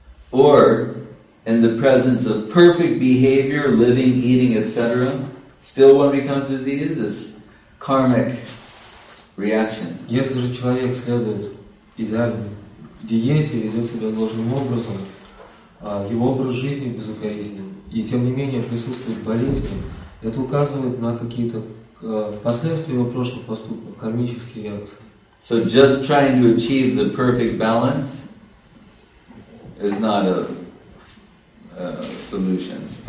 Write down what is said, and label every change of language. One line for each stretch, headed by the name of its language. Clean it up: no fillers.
English: Or in the presence of perfect behavior, living, eating, etc., still one becomes diseased. This karmic reaction.
Russian: Если же человек следует идеальной диете, ведет себя должным образом, его образ жизни безукоризнен, и тем не менее присутствует болезнь, это указывает на какие-то последствия его прошлых поступков, кармические реакции.
English: So just trying to achieve the perfect balance is not a solution.